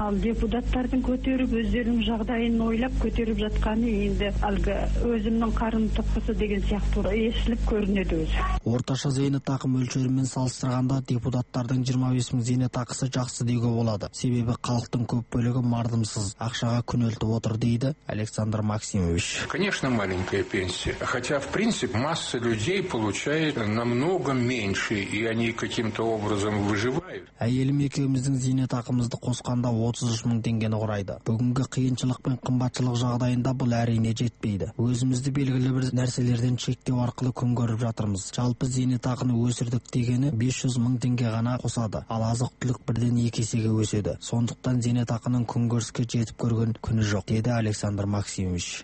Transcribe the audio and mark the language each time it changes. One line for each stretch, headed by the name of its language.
Kazakh: Ал депутаттардың көтеріп өздерінің жағдайын ойлап көтеріп жатқаны енді әлгі өзімнің қарын тоққысы деген сияқты естіліп көрінеді өзі. Орташа зейнетақы мөлшерімен салыстырғанда депутаттардың 25 мың зейнетақысы жақсы деуге болады. Себебі халықтың көп бөлігі мардым. Ақшаға күнелтіп отыр дейді Александр Максимович.
Russian: Конечно, маленькая пенсия. Хотя, в принципе, масса людей получает намного меньше, и они каким-то образом выживают.
Kazakh: Әйелім екеуміздің зейнетақымызды қосқанда 33 мың теңгені құрайды. Бүгінгі қиыншылық пен қымбатшылық жағдайында бұл әрине жетпейді. Өзімізді белгілі бір нәрселерден шектеу арқылы күн көріп жатырмыз. Жалпы зейнетақыны өсірдік дегені 500 мың теңге ғана қосады. Ал азық-түлік бірден екі есеге өседі. Сондықтан зейнетақының күн көрске жетіп көрген күні жоқ, деді Александр Максимович.